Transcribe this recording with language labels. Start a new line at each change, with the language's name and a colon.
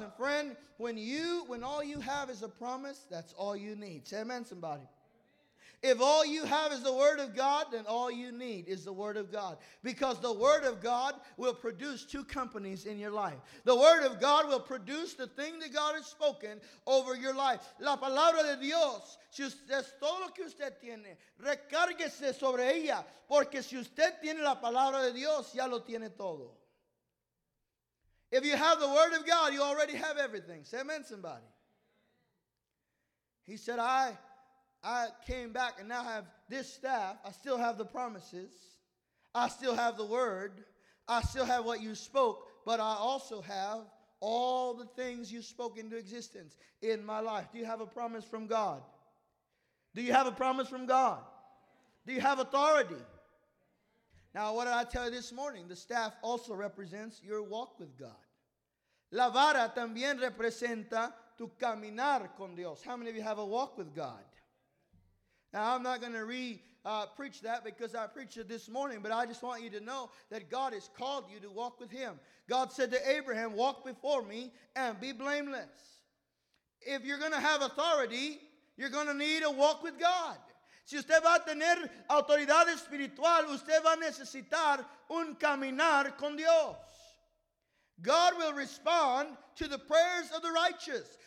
English: And friend, when all you have is a promise, that's all you need. Say amen, somebody. If all you have is the Word of God, then all you need is the Word of God. Because the Word of God will produce two companies in your life. The Word of God will produce the thing that God has spoken over your life.
Spanish: La palabra de Dios, si usted es todo lo que usted tiene, recárguese sobre ella. Porque si usted tiene la palabra de Dios, ya lo tiene todo.
English: If you have the Word of God, you already have everything. Say amen, somebody. He said, I came back and now I have this staff. I still have the promises. I still have the word. I still have what you spoke. But I also have all the things you spoke into existence in my life. Do you have a promise from God? Do you have a promise from God? Do you have authority? Now, what did I tell you this morning? The staff also represents your walk with God.
Spanish: La vara también representa tu caminar con Dios.
English: How many of you have a walk with God? Now, I'm not going to preach that because I preached it this morning, but I just want you to know that God has called you to walk with Him. God said to Abraham, walk before me and be blameless. If you're going to have authority, you're going to need a walk with God.
Spanish: Si usted va a tener autoridad espiritual, usted va a necesitar un caminar con Dios.
English: God will respond to the prayers of the righteous.